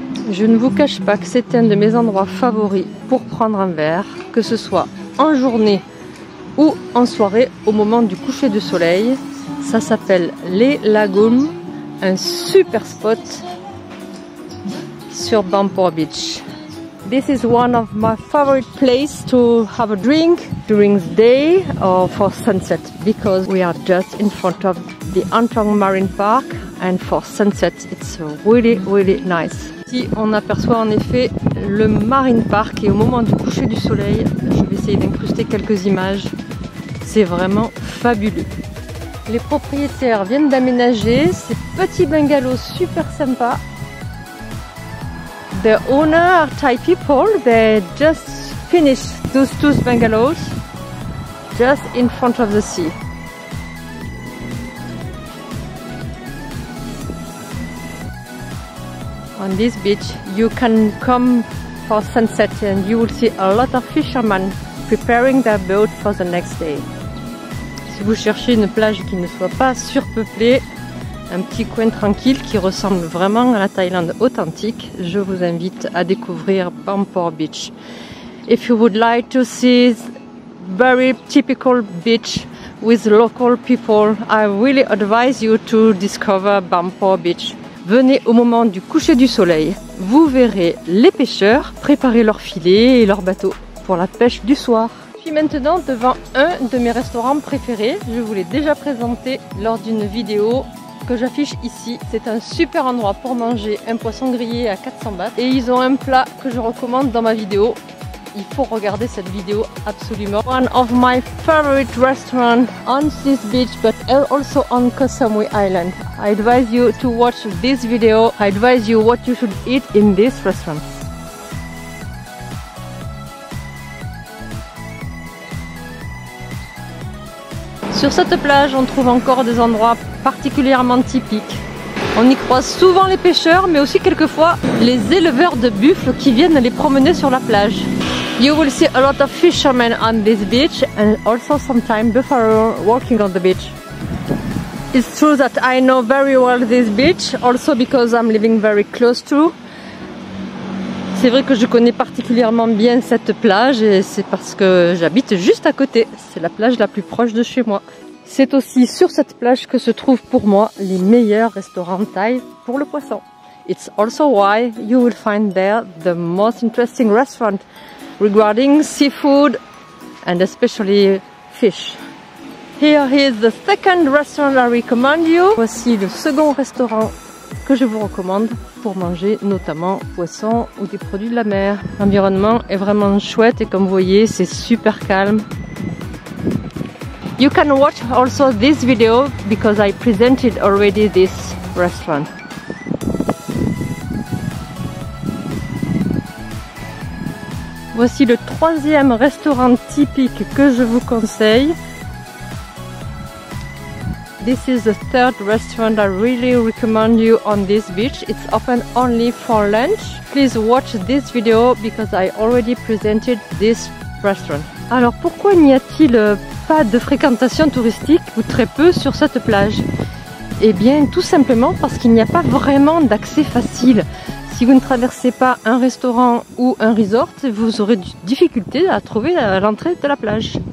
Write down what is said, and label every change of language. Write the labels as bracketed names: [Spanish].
[French] Je ne vous cache pas que c'est un de mes endroits favoris pour prendre un verre, que ce soit en journée ou en soirée au moment du coucher de soleil. Ça s'appelle Les Lagoons, un super spot sur Bangpor Beach. [English] This is one of my favorite places to have a drink during the day or for sunset because we are just in front of the Antong Marine Park and for sunset it's really really nice. [French] Ici on aperçoit en effet le Marine Park et au moment du coucher du soleil, je vais essayer d'incruster quelques images. C'est vraiment fabuleux. Les propriétaires viennent d'aménager ces petits bungalows super sympas. [English] The owners are Thai people. They just finished those two bungalows just in front of the sea. On this beach, you can come for sunset and you will see a lot of fishermen preparing their boat for the next day. [French] Si vous cherchez une plage qui ne soit pas surpeuplée, un petit coin tranquille qui ressemble vraiment à la Thaïlande authentique, je vous invite à découvrir Bangpor Beach. [English] If you would like to see very typical beach with local people. I really advise you to discover Bampo Beach. [French] Venez au moment du coucher du soleil. Vous verrez les pêcheurs préparer leurs filets et leurs bateaux pour la pêche du soir. Je suis maintenant devant un de mes restaurants préférés. Je vous l'ai déjà présenté lors d'une vidéo que j'affiche ici. C'est un super endroit pour manger un poisson grillé à 400 bahts. Et ils ont un plat que je recommande dans ma vidéo. Il faut regarder cette vidéo absolument. [English] One of my favorite restaurants on this beach, but also on Koh Samui Island. I advise you to watch this video. I advise you what you should eat in this restaurant. [French] Sur cette plage, on trouve encore des endroits particulièrement typiques. On y croise souvent les pêcheurs, mais aussi quelquefois les éleveurs de buffles qui viennent les promener sur la plage. [English] You will see a lot of fishermen on this beach and also sometimes buffalo walking on the beach. It's true that I know very well this beach, also because I'm living very close to. [French] C'est vrai que je connais particulièrement bien cette plage et c'est parce que j'habite juste à côté. C'est la plage la plus proche de chez moi. C'est aussi sur cette plage que se trouvent pour moi les meilleurs restaurants thaïs pour le poisson. [English] It's also why you will find there the most interesting restaurant regarding seafood and especially fish. Here is the second restaurant I recommend you. [French] Voici le second restaurant que je vous recommande pour manger notamment poisson ou des produits de la mer. L'environnement est vraiment chouette et comme vous voyez, c'est super calme. [English] You can watch also this video because I presented already this restaurant. [French] Voici le troisième restaurant typique que je vous conseille. [English] This is the third restaurant I really recommend you on this beach. It's open only for lunch. Please watch this video because I already presented this restaurant. [French] Alors pourquoi n'y a-t-il pas de fréquentation touristique ou très peu sur cette plage? Eh bien tout simplement parce qu'il n'y a pas vraiment d'accès facile. Si vous ne traversez pas un restaurant ou un resort, vous aurez du difficulté à trouver l'entrée de la plage.